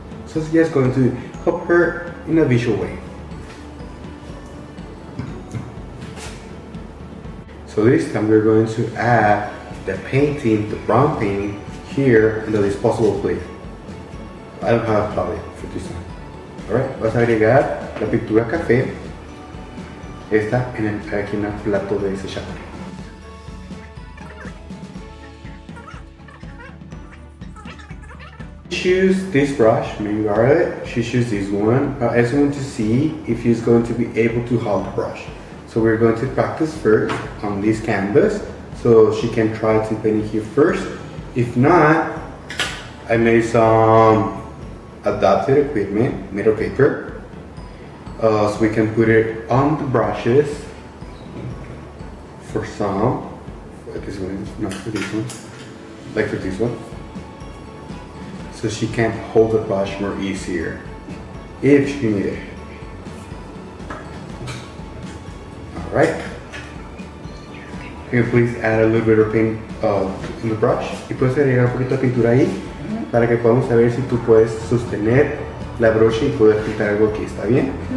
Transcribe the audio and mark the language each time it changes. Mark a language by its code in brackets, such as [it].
[en] So it's just going to help her in a visual way. So this time we're going to add the painting, the brown painting, here in the least possible place. I don't have a palette for this time. [es] Alright, vas a agregar la pintura café, esta en el, aquí en el plato de ese chat. [en] Choose this brush, maybe garlic. She chooses this one. I just want to see if she's going to be able to hold the brush. So we're going to practice first on this canvas, so she can try to paint it here first. If not, I made some adapted equipment, made of paper, so we can put it on the brushes for some, for this one, so she can hold the brush more easier if she needs it. Alright, Can you please add a little bit of paint in the brush? [es] Y puedes agregar un poquito de pintura ahí para que podamos saber si tú puedes sostener la brocha y poder pintar algo aquí, ¿está bien?